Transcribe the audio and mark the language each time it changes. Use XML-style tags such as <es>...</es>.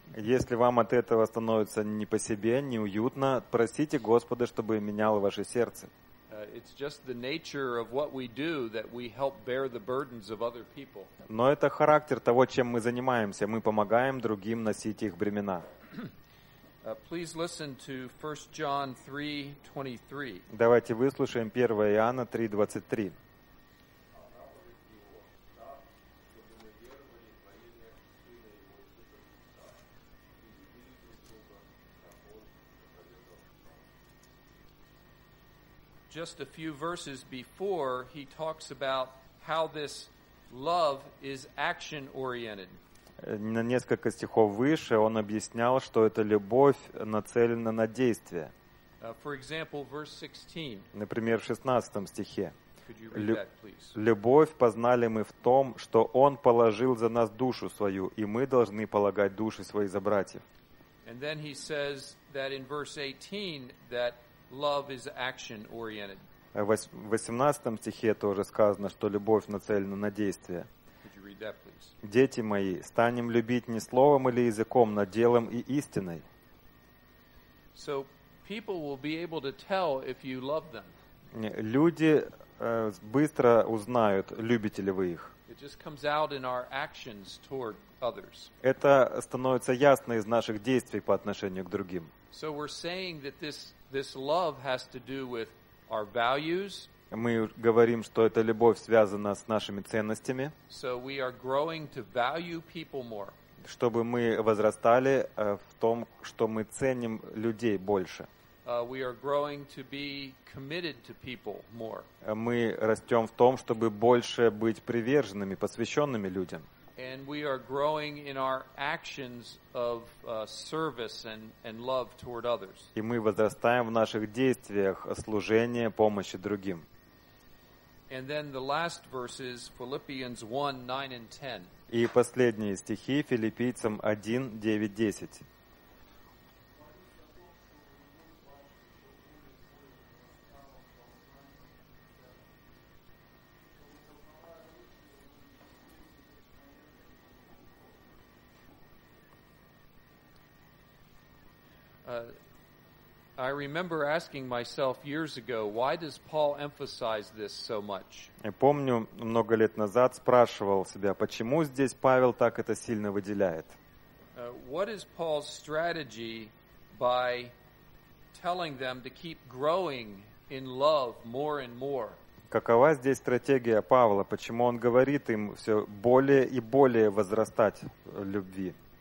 <ru>Если вам от этого становится не по себе, неуютно, просите Господа, чтобы меняло ваше сердце.</ru> <en>It's just the nature of what we do that we help bear the burdens of other people.</en> <ru>Но это характер того, чем мы занимаемся. Мы помогаем другим носить их бремена.</ru> <en>Please listen to 1 John 3:23.</en> <ru>Давайте выслушаем 1 Иоанна 3:23.</ru> <en>Just a few verses before, he talks about how this love is action-oriented.</en> <ru>На несколько стихов выше он объяснял, что эта любовь нацелена на действие.</ru> <en>For example, verse 16.</en> <ru>Например, в 16 стихе. Любовь познали мы в том, что Он положил за нас душу свою, и мы должны полагать души свои за братьев.</ru> <en>And then he says that in verse 18 that love is action oriented.</en> <ru>В 18 стихе тоже сказано, что любовь нацелена на действие. Дети мои, станем любить не словом или языком, но делом и истиной.</ru> <en>So people will be able to tell if you love them.</en> <ru>Люди быстро узнают, любите ли вы их.</ru> <en>It just comes out in our actions toward others.</en> <ru>Это становится ясно из наших действий по отношению к другим.</ru> <en>So we're saying that this love has to do with our values.</en> <ru>Мы говорим, что эта любовь связана с нашими ценностями.</ru> <en>So we are growing to value people more.</en> <ru>Чтобы мы возрастали в том, что мы ценим людей больше.</ru> <en>We are growing to be committed to people more.</en> <ru>Мы растем в том, чтобы больше быть приверженными, посвященными людям.</ru> <en>And we are growing in our actions of service and love toward others.</en> <ru>И мы возрастаем в наших действиях служения, помощи другим.</ru> <en>And then the last verses, Philippians 1, 9 and 10.</en> <ru>И последние стихи, Филиппийцам 1, 9, 10.</ru> <en>I remember asking myself years ago, why does Paul emphasize this so much?</en> <ru>Я помню, много лет назад спрашивал себя, почему здесь Павел так это сильно выделяет.</ru> <en>What is Paul's strategy by telling them to keep growing in love more and more?</en> <ru>Какова здесь стратегия Павла, почему он говорит им все более и более возрастать в любви?</ru>